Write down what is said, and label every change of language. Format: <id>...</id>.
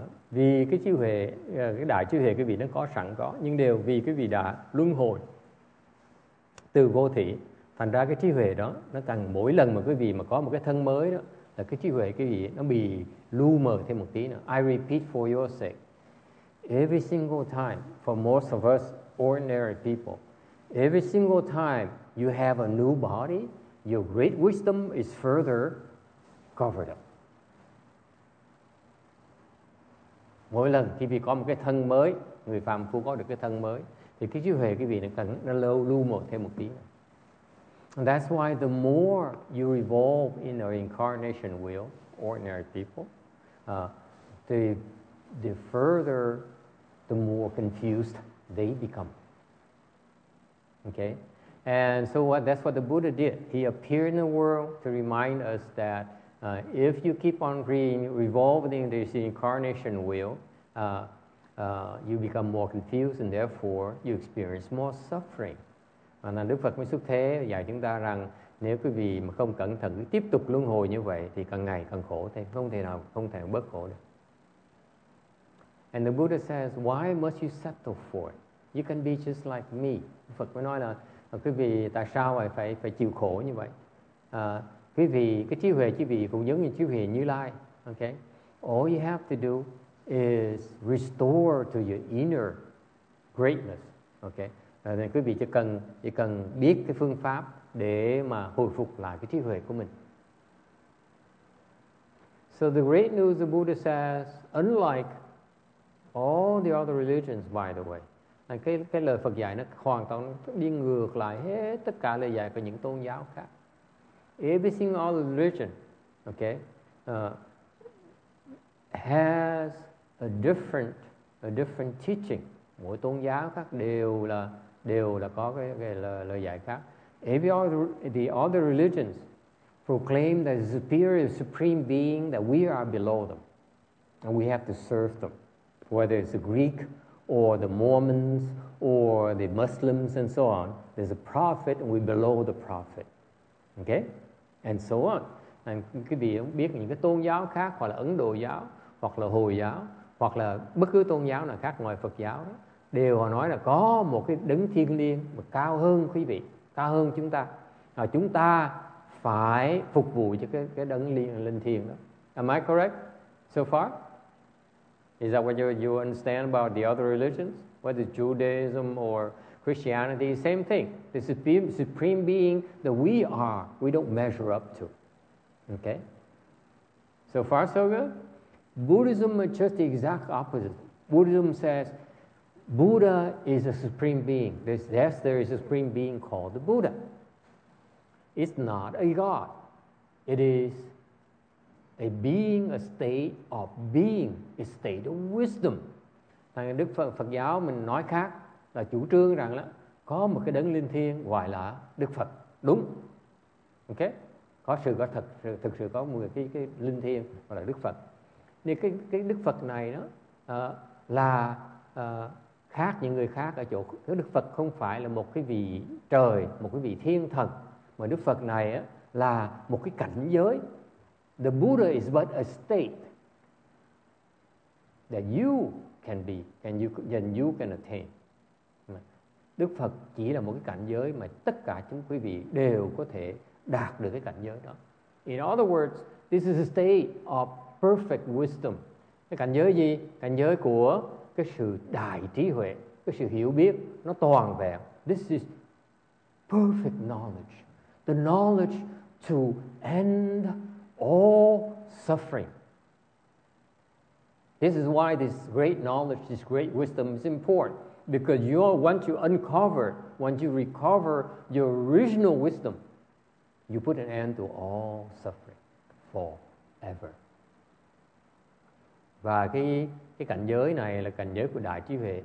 <vi>Vì cái trí huệ, cái đại trí huệ quý vị nó có sẵn có, nhưng đều vì quý vị đã luân hồi từ vô thủy, thành ra cái trí huệ đó nó càng mỗi lần mà quý vị mà có một cái thân mới đó là cái trí huệ quý vị nó bị lu mờ thêm một tí nữa.</vi> <en>I repeat for your sake, every single time for most of us ordinary people, every single time you have a new body, your great wisdom is further covered up.</en> <vi>Mỗi lần khi vị có một cái thân mới, người phàm phu có được cái thân mới, thì cái trí huệ cái vị nó lâu lưu một thêm một tí.</vi> <en>And that's why the more you evolve in our incarnation wheel, ordinary people, the further, the more confused they become. Okay? And so that's what the Buddha did. He appeared in the world to remind us that if you keep on revolving this incarnation wheel, you become more confused and therefore you experience more suffering.</en> <vi>Và là Đức Phật mới xuất thế dạy chúng ta rằng nếu quý vị mà không cẩn thận tiếp tục luân hồi như vậy thì càng ngày càng khổ thêm, không thể nào bớt khổ được.</vi> <en>And the Buddha says, why must you settle for it? You can be just like me.</en> <vi>Đức Phật mới nói là quý vị tại sao lại phải chịu khổ như vậy? Quý vị, cái trí huệ quý vị cũng giống như trí huệ Như Lai.</vi> <en>Okay? All you have to do is restore to your inner greatness. Okay?</en> <vi>Nên quý vị chỉ cần biết cái phương pháp để mà hồi phục lại cái trí huệ của mình.</vi> <en>So the great news the Buddha says, unlike all the other religions, by the way,</en> <vi>cái lời Phật dạy nó hoàn toàn đi ngược lại hết tất cả lời dạy của những tôn giáo khác.</vi> <en>Every single religion, okay, has a different teaching.</en> <vi>Mỗi tôn giáo khác đều là có cái lời dạy khác.</vi> <en>Every the other religions proclaim the superior supreme being that we are below them and we have to serve them, whether it's the Greek or the Mormons or the Muslims and so on. There's a prophet and we're below the prophet, okay? And so on.</en> <vi>Anh quý vị biết những cái tôn giáo khác, hoặc là Ấn Độ giáo, hoặc là Hồi giáo, hoặc là bất cứ tôn giáo nào khác ngoài Phật giáo đó, đều họ nói là có một cái đấng thiêng liêng mà cao hơn quý vị, cao hơn chúng ta. Và chúng ta phải phục vụ cho cái đấng linh thiêng đó.</vi> <en>Am I correct so far? Is that what you understand about the other religions? Whether it's Judaism or Christianity, same thing. The supreme being that we are, we don't measure up to. Okay? So far, so good? Buddhism is just the exact opposite. Buddhism says, Buddha is a supreme being. Yes, there is a supreme being called the Buddha. It's not a god. It is A being, a state of being, a state of wisdom.</en> <vi>Thành Đức Phật, Phật giáo mình nói khác là chủ trương rằng là có một cái đấng linh thiêng gọi là Đức Phật, đúng. Ok, có sự có thật, thực sự có một cái linh thiêng gọi là Đức Phật. Nên cái Đức Phật này đó là khác những người khác ở chỗ cái Đức Phật không phải là một cái vị trời, một cái vị thiên thần, mà Đức Phật này á là một cái cảnh giới.</vi> <en>The Buddha is but a state that you can be and you can attain.</en> <vi>Đức Phật chỉ là một cái cảnh giới mà tất cả chúng quý vị đều có thể đạt được cái cảnh giới đó.</vi> <en>In other words, this is a state of perfect wisdom.</en> <vi>Cái cảnh giới gì? Cảnh giới của cái sự đại trí huệ, cái sự hiểu biết nó toàn vẹn.</vi> <en>This is perfect knowledge. The knowledge to end all suffering. This is why this great knowledge, this great wisdom is important. Because you are, once you uncover, once you recover your original wisdom, you put an end to all suffering forever.</en> <vi>Và cái cảnh giới này là cảnh giới của đại trí huệ.</vi>